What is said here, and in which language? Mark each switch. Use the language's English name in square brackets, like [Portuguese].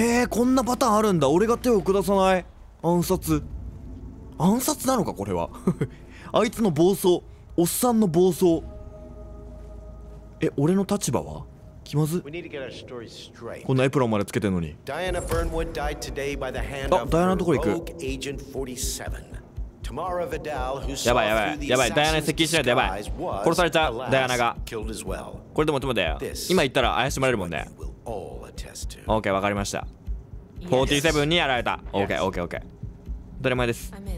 [Japanese] こんなパターンあるんだ。俺が手を下さない。暗殺、暗殺なのかこれは。あいつの暴走、おっさんの暴走。俺の立場は気まず。こんなエプロンまでつけてんのに。 [English] Diana Burnwood died today by the hand of [Japanese] ダイアナのとこ行く。 [English] Agent 47. Tamara Vidal, who saw through the assassin's disguise, was killed as well. [Japanese] やばいやばいやばい、ダイアナ接近しないとやばい。殺されたダイアナが。これでも止めて、今行ったら怪しまれるもんね。オーケー、わかりました。47にやられた。オーケー、オーケー、オーケー。当たり前です。